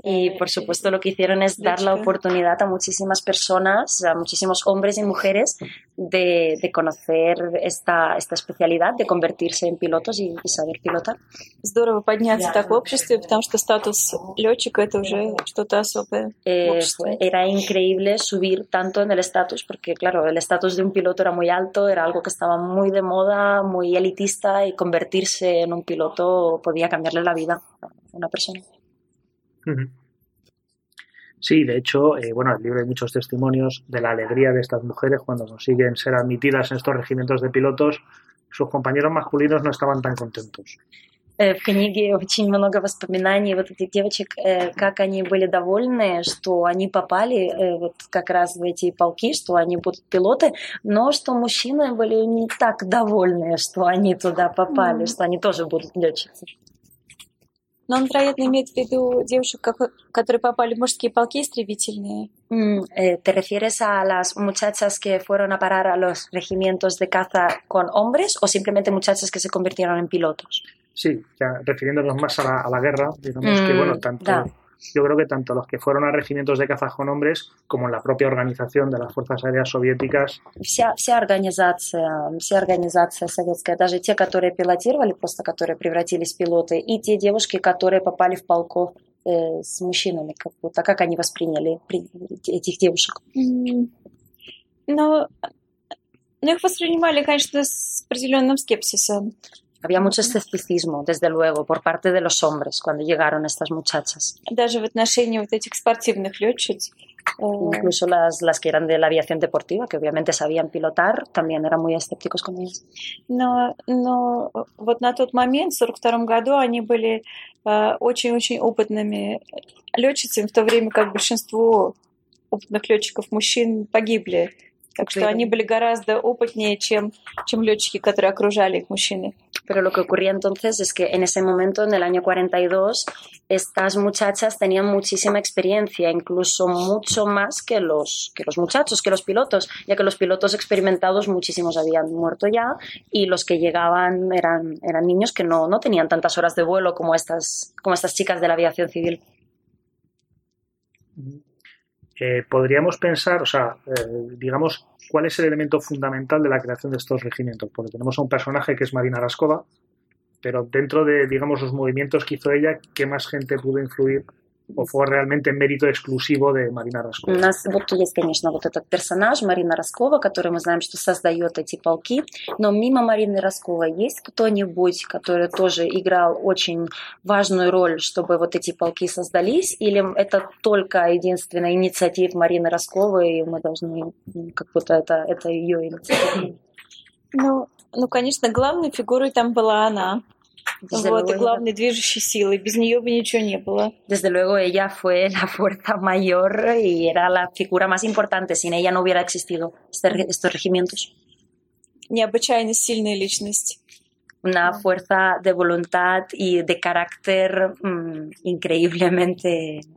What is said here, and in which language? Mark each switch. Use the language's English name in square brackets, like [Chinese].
[Spanish] Y por supuesto lo que hicieron es dar la oportunidad a muchísimas personas, a muchísimos hombres y mujeres de conocer esta especialidad, de convertirse en pilotos y saber pilotar. [Russian] Здорово подняться так в обществе, потому что статус летчика это уже что-то особое. [Spanish] Era increíble subir tanto en el estatus, porque claro, el estatus de un piloto era muy alto, era algo que estaba muy de moda, muy elitista, y convertirse en un piloto podía cambiarle la vida. Una persona. Sí, de hecho, bueno, el libro hay muchos testimonios de la alegría de estas mujeres cuando consiguen ser admitidas en estos regimientos de pilotos. Sus compañeros masculinos no estaban tan contentos. [Russian] В книге очень много воспоминаний вот этих девочек, как они были довольны, что они попали вот как раз в эти полки, что они будут пилоты, но что мужчины были не так довольны, что они туда попали, что они тоже будут летчиками. Но он, вероятно, имеет в виду девушек, которые попали в мужские полки истребительные. [Spanish] ¿Te refieres a las muchachas que fueron a parar a los regimientos de caza con hombres o simplemente muchachas que se convirtieron en pilotos? Sí, ya, refiriéndonos más a la guerra, digamos que, bueno, yo creo que tanto los que fueron a regimientos de caza con hombres como la propia organización de las fuerzas aéreas soviéticas. [Russian] Вся организация советская, даже те, которые пилотировали, просто которые превратились в пилоты, и те девушки, которые попали в полков с мужчинами, как будто, как они восприняли этих девушек? Ну, их воспринимали, конечно, с определенным скепсисом. [Spanish] Había mucho escepticismo, desde luego, por parte de los hombres cuando llegaron estas muchachas. [Russian] Даже в отношении вот этих спортивных летчиц. [Spanish] Incluso las que eran de la aviación deportiva, que obviamente sabían pilotar, también eran muy escépticos con ellas. [Russian] Но вот на тот момент, в 42-м году, они были очень-очень опытными летчицами, в то время как большинство опытных летчиков мужчин погибли. Так что они были гораздо опытнее, чем летчики, которые окружали их мужчины. [Spanish] Pero lo que ocurría entonces es que en ese momento, en el año 42, estas muchachas tenían muchísima experiencia, incluso mucho más que los muchachos, que los pilotos, ya que los pilotos experimentados muchísimos habían muerto ya y los que llegaban eran niños que no tenían tantas horas de vuelo como estas chicas de la aviación civil. Podríamos pensar, o sea, digamos, ¿cuál es el elemento fundamental de la creación de estos regimientos? Porque tenemos a un personaje que es Marina Raskova, pero dentro de, digamos, los movimientos que hizo ella, ¿qué más gente pudo influir? ¿O fue realmente mérito exclusivo de Marina Raskova? [Russian] У нас вот есть, конечно, вот этот персонаж, Марина Раскова, который мы знаем, что создает эти полки, но мимо Марины Расковой есть кто-нибудь, который тоже играл очень важную роль, чтобы вот эти полки создались, или это только единственная инициатива Марины Расковой, и мы должны, как будто это ее инициатива? Ну, конечно, главной фигурой там была она. Вот, и главной движущей силой. Без нее бы ничего не было. [Spanish] Desde luego, ella fue la fuerza mayor y era la figura más importante. Sin ella no hubiera existido estos regimientos. [Russian] Необычайно сильная личность. [Spanish] Una fuerza de voluntad y de carácter increíblemente